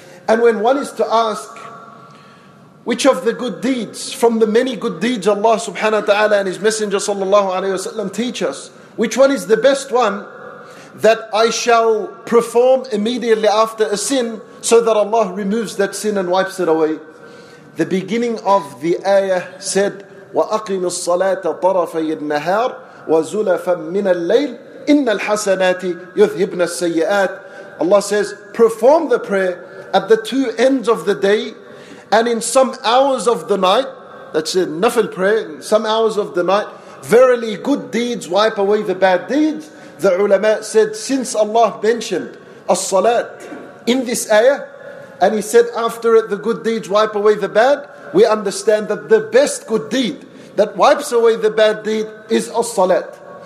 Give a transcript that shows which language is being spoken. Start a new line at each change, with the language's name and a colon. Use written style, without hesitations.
English: And when one is to ask, which of the good deeds, from the many good deeds Allah subhanahu wa ta'ala and His Messenger sallallahu alayhi wa sallam teach us, which one is the best one that I shall perform immediately after a sin so that Allah removes that sin and wipes it away? The beginning of the ayah said,
Arabic: وَأَقِمِ الصَّلَاةَ طَرَفَيِ النَّهَارِ وَزُلَفًا مِّنَ اللَّيْلِ إِنَّ الْحَسَنَاتِ يُذْهِبْنَ السَّيِّئَاتِ.
English: Allah says, perform the prayer at the two ends of the day and in some hours of the night, that's a nafil prayer, in some hours of the night, verily good deeds wipe away the bad deeds. The ulama said, since Allah mentioned as-salat in this ayah, and he said after it, the good deeds wipe away the bad, we understand that the best good deed that wipes away the bad deed is as-salat.